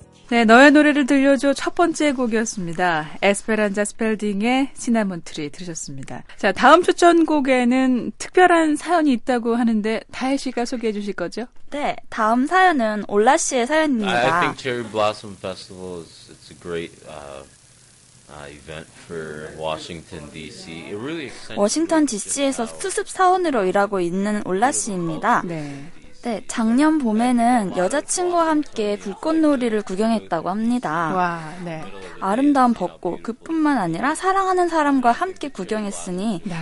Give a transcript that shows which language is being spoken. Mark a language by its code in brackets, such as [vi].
[ko] 네, 너의 노래를 들려줘 첫 번째 곡이었습니다. 에스페란자 스펠딩의 시나몬 트리 들으셨습니다. 자, 다음 추천곡에는 특별한 사연이 있다고 하는데 다혜 씨가 소개해 주실 거죠? 네, 다음 사연은 올라 씨의 사연입니다. [en] I think Cherry Blossom Festival is it's a great event for Washington D.C. It really extends. [ko] 워싱턴 D.C.에서 수습 사원으로 일하고 있는 올라 씨입니다. 네. 네, 작년 봄에는 여자친구와 함께 불꽃놀이를 구경했다고 합니다. 와, 네. 아름다운 벚꽃, 그뿐만 아니라 사랑하는 사람과 함께 구경했으니 네.